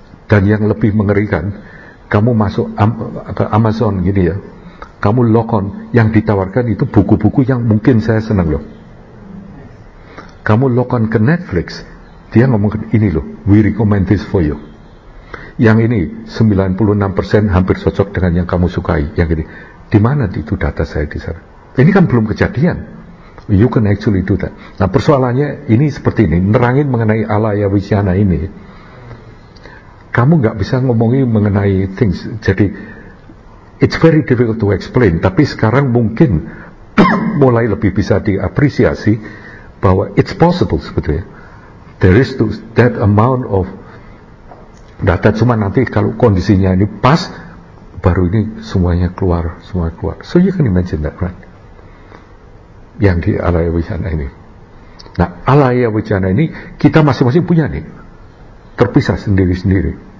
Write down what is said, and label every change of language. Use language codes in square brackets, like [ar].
[id] Dan yang lebih mengerikan, kamu masuk Amazon gini ya, kamu log on, yang ditawarkan itu buku-buku yang mungkin saya senang loh. Kamu log on ke Netflix, dia ngomong ini loh, [en] we recommend this for you. [id] Yang ini 96% hampir cocok dengan yang kamu sukai. Yang ini di mana itu data saya di sana? Ini kan belum kejadian. [en] You can actually do that. [id] Nah, persoalannya ini seperti ini, nerangin mengenai alaya wisyana ini. Kamu enggak bisa ngomongin mengenai things. Jadi [en] it's very difficult to explain, [id] tapi sekarang mungkin mulai lebih bisa diapresiasi bahwa [en] it's possible [id] sebetulnya. [en] There is that amount of data, [id] cuma nanti kalau kondisinya ini pas baru ini semuanya keluar. [en] So you can imagine that, right? [id] Yang di alaya wijana ini. Nah, alaya wijana ini kita masing-masing punya nih, terpisah sendiri-sendiri.